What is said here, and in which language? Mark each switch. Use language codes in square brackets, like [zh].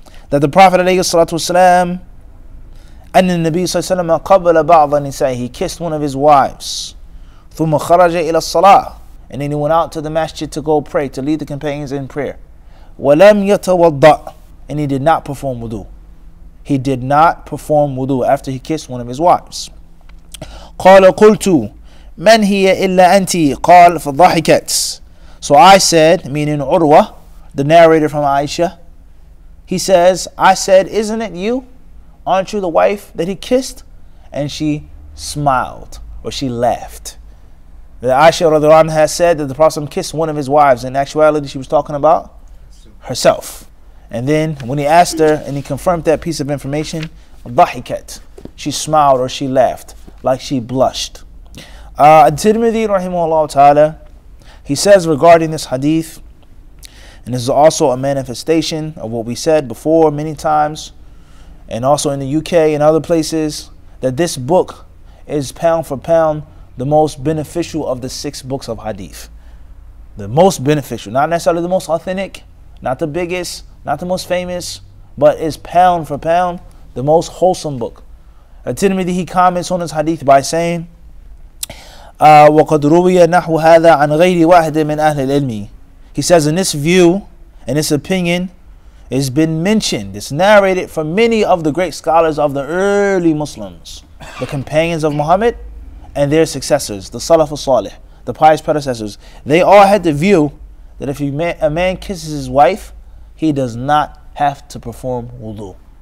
[en] That the Prophet alayhi salatu wasalam, and the Nabi sallallahu alayhi wasalam, [ar] qabala ba'dha nisa'ihi, [en] he kissed one of his wives. [ar] Thumma kharaja ila salah, [en] and then he went out to the masjid to go pray, to lead the companions in prayer. [ar] Walam yatawadda, [en] and he did not perform wudu. He did not perform wudu after he kissed one of his wives. [ar] قال قلت من هي إلا أنت قال فضحكت. [en] So I said, meaning Urwa, the narrator from Aisha, he says, I said, isn't it you? Aren't you the wife that he kissed? And she smiled, or she laughed. The Aisha radhiyallahu anha has said that the Prophet kissed one of his wives. In actuality, she was talking about herself. And then when he asked her and he confirmed that piece of information, ضحكت, she smiled or she laughed, like she blushed. At-Tirmidhi rahimahullah ta'ala, he says regarding this hadith, and this is also a manifestation of what we said before many times, and also in the UK and other places, that this book is pound for pound the most beneficial of the six books of hadith. The most beneficial, not necessarily the most authentic, not the biggest, not the most famous, but is pound for pound the most wholesome book. At-Tirmidhi, he comments on this hadith by saying, [ar] وَقَدْ رُوِيَ نَحْوَ هَذَا عَنْ غَيْرِ وَاحْدٍ مِنْ أَهْلِ الْإِلْمِ. [en] He says, in this view, in this opinion, it's been mentioned, it's narrated from many of the great scholars of the early Muslims, the companions of Muhammad and their successors, the Salaf al-Salih, the pious predecessors. They all had the view that if a man kisses his wife, he does not have to perform wudu.